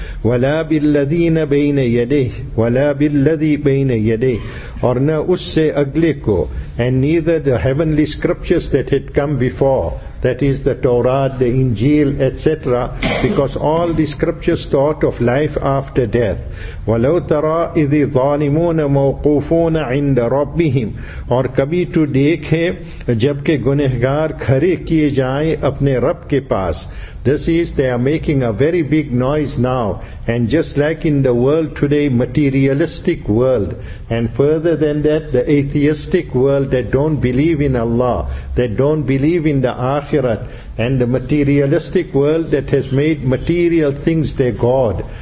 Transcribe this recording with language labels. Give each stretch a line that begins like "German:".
Arabic: وَلَا بِالَّذِينَ بَيْنَ يَدِهِ وَلَا بِالَّذِي بَيْنَ يَدِهِ
Urdu: اور نہ اس سے اگلے کو.
English: And neither the heavenly scriptures that had come before, that is the Torah, the Injil, etc. Because all the scriptures taught of life after death.
Arabic: وَلَوْ تَرَا إِذِ ظَالِمُونَ مَوْقُوفُونَ عِنْدَ رَبِّهِمْ
Urdu: اور کبھی تو دیکھے جبکہ گنہگار کھڑے کیے جائیں اپنے رب کے پاس.
English: This is, they are making a very big noise now. And just like in the world today, materialistic world. And further than that, the atheistic world that don't believe in Allah, that don't believe in the Akhirat, and the materialistic world that has made material things their God.